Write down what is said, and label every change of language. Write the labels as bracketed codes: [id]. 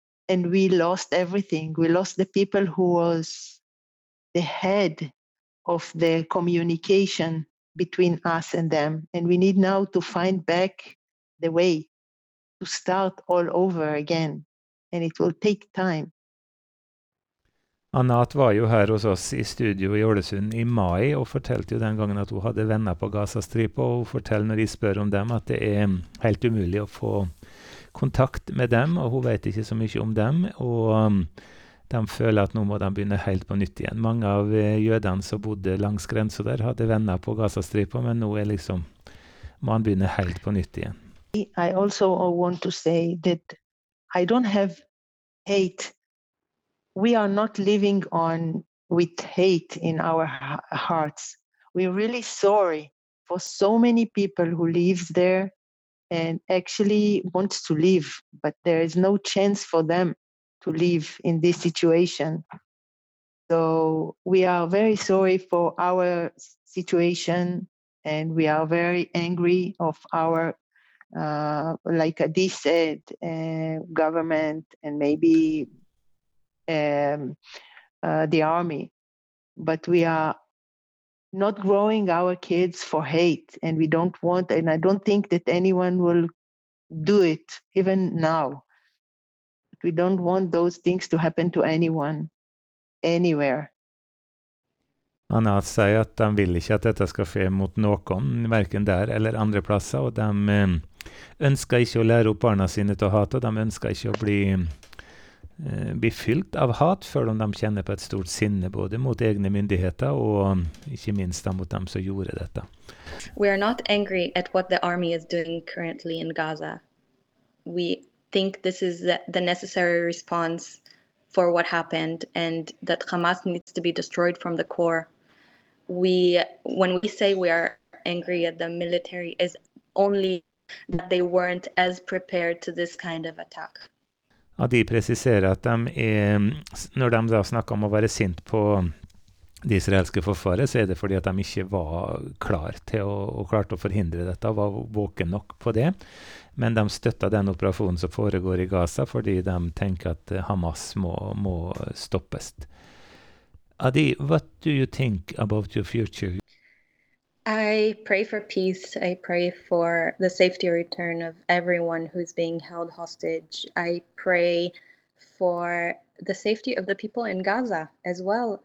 [en] And we lost everything. We lost the people who was the head of the communication between us and them. And we need now to find back the way to start all over again. And it will take time. [no] Anat var jo her hos oss I studio I Ålesund I mai og fortalte jo den gangen at hun hadde venner på Gaza-stripe og hun forteller når de spør om dem at det helt umulig å få kontakt med dem og hun vet ikke så mye om dem og de føler at nå må de begynne helt på nytt igjen. Mange av jødene som bodde langs grenser der hadde venner på Gaza-stripe men nå liksom, må han begynne helt på nytt igjen. [en] I also want to say that I don't have hate. We are not living on with hate in our hearts. We're really sorry for so many people who live there and actually want to live, but there is no chance for them to live in this situation. So we are very sorry for our situation and we are very angry of our, like Adi said, government and maybe the army, but we are not growing our kids for hate and we don't want, and I don't think that anyone will do it even now. We don't want those things to happen to anyone, anywhere. [sv] Anat säger att de vill inte att detta ska ske mot någon, varken där eller andra platser, och de önskar inte att lära upp barna sina till hat och de önskar inte att bli fyllt av hat för de känner på ett stort sinne både mot egna myndigheter och inte minst mot dem som gjorde detta. [en] We are not angry at what the army is doing currently in Gaza. We think this is the necessary response for what happened and that Hamas needs to be destroyed from the core. When we say we are angry at the military is only that they weren't as prepared to this kind of attack. [no] Ja, de presiserer at de når de da snakker om å være sint på det israelske forfaret, så det fordi at de ikke var klar til å forhindre dette, var våken nok på det. Men de støtter den operasjonen som foregår I Gaza, fordi de tenker at Hamas må stoppes. [en] Adi, what do you think about your future? I pray for peace. I pray for the safety return of everyone who's being held hostage. I pray for the safety of the people in Gaza as well.